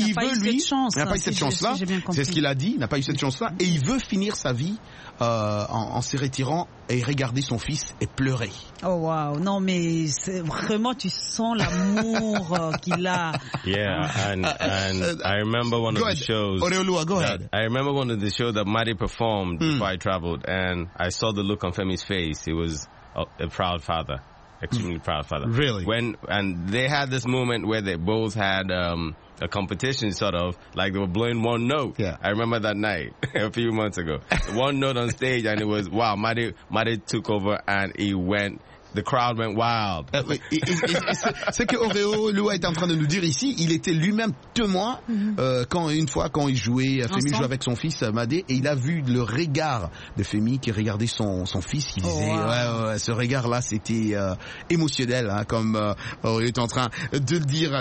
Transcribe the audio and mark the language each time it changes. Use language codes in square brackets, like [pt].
[fr] il n'a pas eu cette chance-là. C'est ce qu'il a dit. Il n'a pas eu cette chance-là. Et il veut finir sa vie en se retirant et regarder son fils et pleurer. [en] Oh wow. [fr] Non, mais vraiment, tu sens l'amour qu'il a. [en] Yeah, and I remember one go of ahead. The shows. Oreolua, go ahead. I remember one of the shows that Madi performed before I traveled, and I saw the look on Femi's face. He was a proud father, extremely proud father. Really? And they had this moment where they both had a competition, sort of, like they were blowing one note. Yeah. I remember that night, a few months ago. One note on stage, and it was, wow, Madi took over, and the crowd went wild. [fr] Ce que Oreo Lua est en train de nous dire ici, il était lui-même témoin quand il jouait, Femi jouait avec son fils Madi, et il a vu le regard de Femi qui regardait son fils. Il disait, ouais, ce regard-là, c'était émotionnel, hein, comme Oreo est en train de le dire.